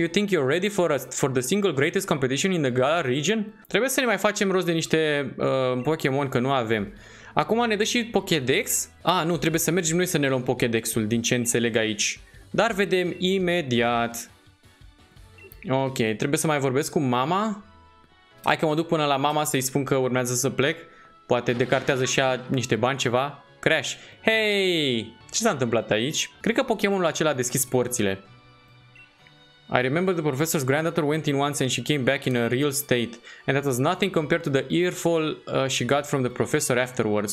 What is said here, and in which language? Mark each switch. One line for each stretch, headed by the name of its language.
English: You think you're ready for the single greatest competition in the Galar region?
Romanian: Trebuie să ne mai facem rost de niște Pokémon, că nu avem. Acum ne dă și Pokédex? Ah, nu, trebuie să mergem noi să ne luăm Pokédex-ul, din ce înțeleg aici. Dar vedem imediat. Ok, trebuie să mai vorbesc cu mama. Hai că mă duc până la mama să-i spun că urmează să plec. Poate decartează și ea niște bani, ceva.
English: Crash. Hey!
Romanian: Ce s-a întâmplat aici? Cred că Pokémonul acela a deschis porțile.
English: I remember the professor's granddaughter went in once and she came back in a real state. And that was nothing compared to the earful she got from the professor afterwards.